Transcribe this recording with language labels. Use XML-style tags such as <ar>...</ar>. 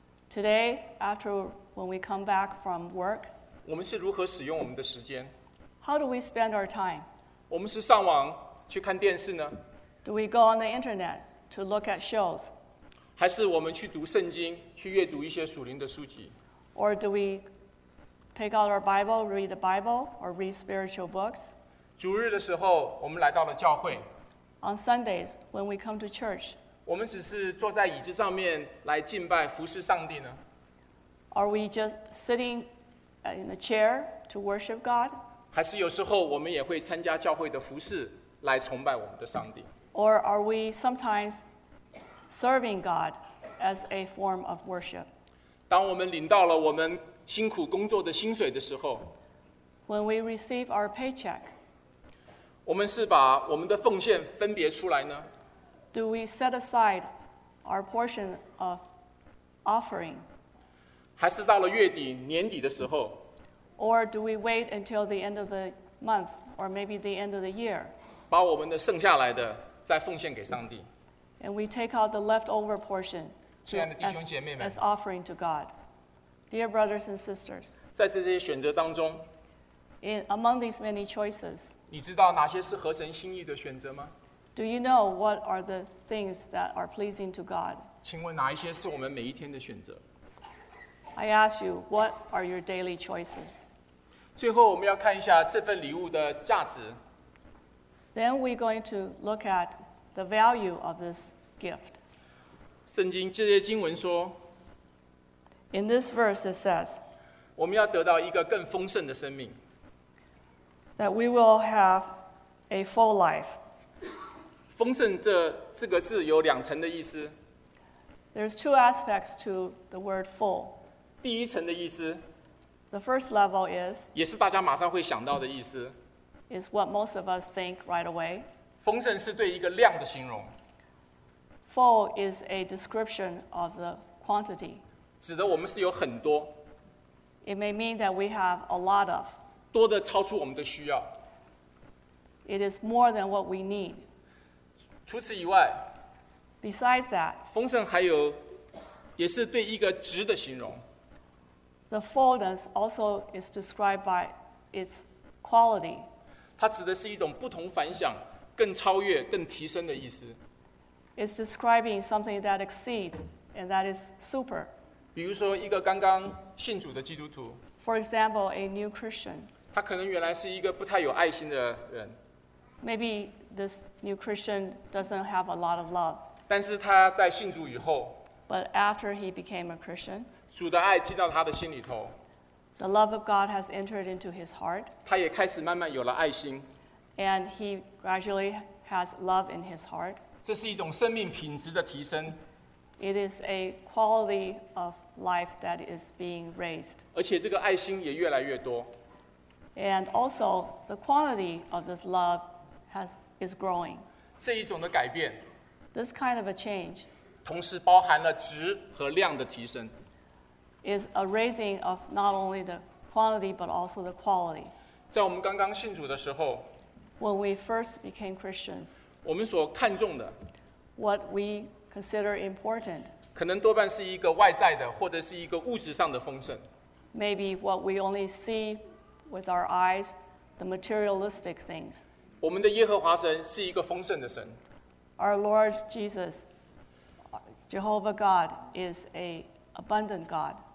<en>Today, after when we come back from work.</en> <zh>我们是如何使用我们的时间</zh> <en>？How do we spend our time?</en> <zh>我们是上网。去看电视呢</zh> <en>？Do we go on the internet to look at shows？</en> <zh>还是我们去读圣经，去阅读一些属灵的书籍</zh> <en>？Or do we take out our Bible, read the Bible, or read spiritual books？</en> <zh>主日的时候，我们来到了教会。</zh> <en>On Sundays, when we come to church，</en> <zh>我们只是坐在椅子上面来敬拜、服侍上帝呢</zh> <en>？Are we just sitting in a chair to worship God？</en> <zh>还是有时候我们也会参加教会的服侍？来崇拜我们的上帝。</zh> <en>Or are we sometimes serving God as a form of worship?</en> <zh>当我们领到了我们辛苦工作的薪水的时候</zh> <en>，When we receive our paycheck，</en> <zh>我们是把我们的奉献分别出来呢</zh> <en>？Do we set aside our portion of offering？</en> <zh>还是到了月底、年底的时候</zh> <en>？Or do we wait until the end of the month or maybe the end of the year？</en> <zh>把我们的剩下来的再奉献给上帝。</zh> <en>And we take out the leftover portion.</en> <zh>亲爱的弟兄姐妹们</zh> <en>，as offering to God, dear brothers and sisters.</en> <zh>在这些选择当中</zh> <en>，in among these many choices.</en> <zh>你知道哪些是合神心意的选择吗</zh> <en>？Do you know what are the things that are pleasing to God?</en> <zh>请问哪一些是我们每一天的选择</zh> <en>？I ask you, what are your daily choices?</en> <zh>最后，我们要看一下这份礼物的价值。</zh> <en>Then we're going to look at the value of this gift.</en> <zh>圣经这些经文说</zh> <en>，In this verse it says，</en> <zh>我们要得到一个更丰盛的生命。</zh> <en>That we will have a full life.</en> <zh>丰盛这四个字有两层的意思。</zh> <en>There's two aspects to the word full.</en> <zh>第一层的意思</zh> <en>，The first level is，</en> <zh>也是大家马上会想到的意思。</zh> <en>Is what most of us think right away.</en> <zh>丰盛是对一个量的形容。</zh> <en>Full is a description of the quantity.</en> <zh>指的我们是有很多。</zh> <en>It may mean that we have a lot of.</en> <zh>多的超出我们的需要。</zh> <en>It is more than what we need.</en> <zh>除此以外。</zh> <en>Besides that.</en> <zh>丰盛还有，也是对一个值的形容。</zh> <en>The fullness also is described by its quality.</en> <zh>它指的是一种不同凡响、更超越、更提升的意思。</zh> <en>It's describing something that exceeds and that is super.</en> <zh>比如说，一个刚刚信主的基督徒。</zh> <en>For example, a new Christian.</en> <zh>他可能原来是一个不太有爱心的人。</zh> <en>Maybe this new Christian doesn't have a lot of love.</en> <zh>但是他在信主以后。</zh> <en>But after he became a Christian.</en> <zh>主的爱进到他的心里头。</zh> <en>The love of God has entered into his heart.</en> <zh>他也开始慢慢有了爱心。</zh> <en>And he gradually has love in his heart.</en> <zh>这是一种生命品质的提升。</zh> <en>It is a quality of life that is being raised.</en> <zh>而且这个爱心也越来越多。</zh> <en>And also, the quality of this love is growing.</en> <zh>这一种的改变。</zh> <en>This kind of a change.</en> <zh>同时包含了质和量的提升。</zh> <en>Is a raising of not only the quantity but also the quality.</en> <zh>在我们刚刚信主的时候</zh> <en>，When we first became Christians，</en> <zh>我们所看重的</zh> <en>，What we consider important，</en> <zh>可能多半是一个外在的或者是一个物质上的丰盛。</zh> <en>Maybe what we only see with our eyes， the materialistic things。</en> <zh>我们的耶和华神是一个丰盛的神。</zh> <en>Our Lord Jesus， Jehovah God is a abundant God。</en>